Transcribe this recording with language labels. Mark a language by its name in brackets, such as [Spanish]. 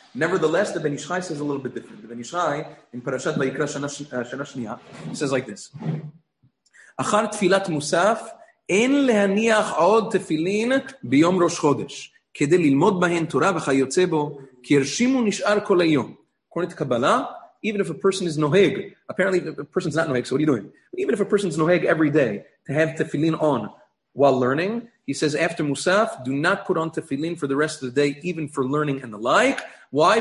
[English] Nevertheless, the Ben Yishai says a little bit different. The Ben Yishai, in Parashat Vayikra Shana Shniya, says like this. [Hebrew] אחר תפילת מוסף, אין להניח עוד תפילין ביום ראש חודש, כדי ללמוד בהן תורה וחיוצא בו, כי הרשימו נשאר כל היום. קוראת קבלה, [English] even if a person is nohag, apparently a person is not nohag, so what are you doing? But even if a person is nohag every day, to have tefillin on while learning, he says after מוסף, do not put on תפילין for the rest of the day, even for learning and the like. Why?